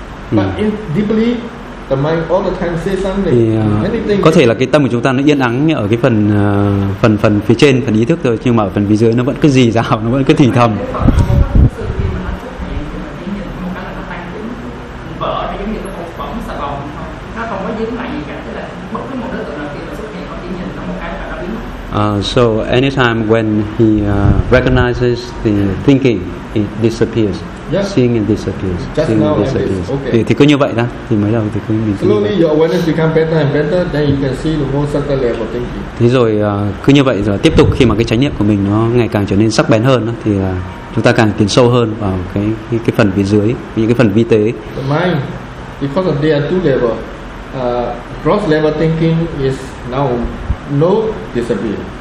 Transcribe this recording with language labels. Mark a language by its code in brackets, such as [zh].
[en] But deeply the mind all the time say something. [vi] Có thể là cái tâm của chúng ta nó yên ắng ở cái phần phần phía trên phần ý thức thôi, nhưng mà ở phần phía dưới nó vẫn cứ rì rào, nó vẫn cứ thì thầm. [en] So anytime when he recognizes the thinking, it disappears. Yeah. Seeing it disappears. Just seeing now it disappears. Okay. [vi] Thì cứ như vậy đó. Thì mới đầu thì cứ như vậy. [en] Slowly your awareness become better and better, then you can see the more subtle level thinking. [vi] Thế rồi cứ như vậy rồi tiếp tục, khi mà cái chánh niệm của mình nó ngày càng trở nên sắc bén hơn đó, thì chúng ta càng tiến sâu hơn vào cái phần phía dưới, những cái phần vi tế. [en] The mind, because of there are two level, gross level thinking is now no disappear.